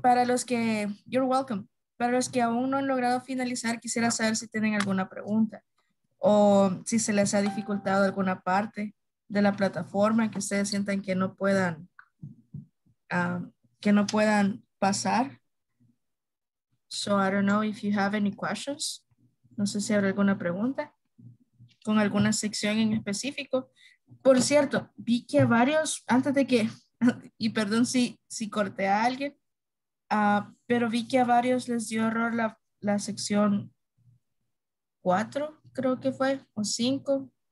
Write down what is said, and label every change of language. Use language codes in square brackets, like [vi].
[es] Para los que, [en] you're welcome. [es] Para los que aún no han logrado finalizar, quisiera saber si tienen alguna pregunta o si se les ha dificultado alguna parte de la plataforma que ustedes sientan que no puedan pasar. [en] So I don't know if you have any questions. [es] No sé si habrá alguna pregunta con alguna sección en específico. Por cierto, vi que varios, antes de que, y perdón si corté a alguien, pero vi que a varios les dio error la sección 4, creo que fue, o 5.